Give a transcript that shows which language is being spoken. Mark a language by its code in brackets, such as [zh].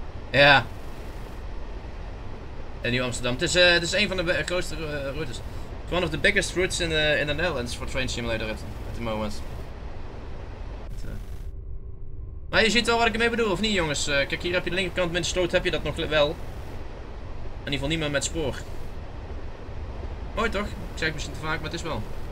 [nl] Ja. In Nieuw-Amsterdam. Het is een van de grootste routes. [en] It's one of the biggest routes in the Netherlands for train simulator at the moment. [nl] Maar je ziet wel wat ik ermee bedoel, of niet jongens? Kijk, hier heb je de linkerkant met de sloot, heb je dat nog wel. ieder geval niet meer met spoor. Mooi toch? Ik zeg het misschien te vaak, maar het is wel.